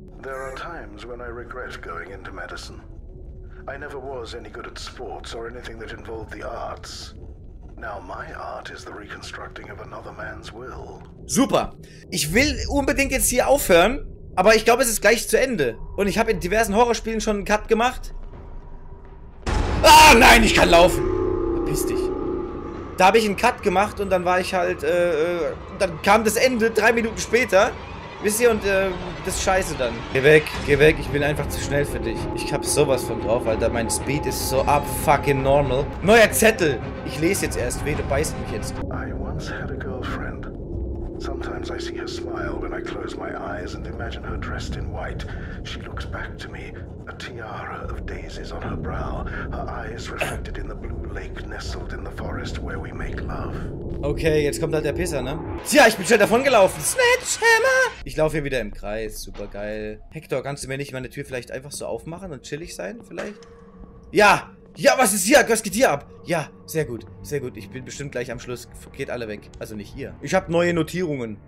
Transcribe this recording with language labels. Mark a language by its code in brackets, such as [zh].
[en] There are times when I regret going into medicine. I never was any good at sports or anything that involved the arts. Now my art is the reconstructing of another man's will. [de] Super. Ich will unbedingt jetzt hier aufhören. Aber ich glaube, es ist gleich zu Ende. Und ich habe in diversen Horrorspielen schon einen Cut gemacht. Ah, nein, ich kann laufen. Verpiss dich. Da habe ich einen Cut gemacht und dann war ich halt... dann kam das Ende 3 Minuten später. Wisst ihr, und das ist scheiße dann. Geh weg. Ich bin einfach zu schnell für dich. Ich habe sowas von drauf, Alter. Mein Speed ist so up fucking normal. Neuer Zettel. Ich lese jetzt erst. Weh, du beißt mich jetzt. [en] I once had a girlfriend. Sometimes I see her smile when I close my eyes and imagine her dressed in white. She looks back to me, a tiara of daisies on her brow, her eyes reflected in the blue lake nestled in the forest where we make love. [de] Okay, jetzt kommt halt der Pisser, ne? Tja, ich bin schnell davon gelaufen. Sledgehammer! Ich laufe hier wieder im Kreis, super geil. Hector, kannst du mir nicht meine Tür vielleicht einfach so aufmachen und chillig sein, vielleicht? Ja! Ja, was ist hier? Was geht hier ab? Ja, sehr gut. Ich bin bestimmt gleich am Schluss. Geht alle weg. Also nicht ihr. Ich habe neue Notierungen.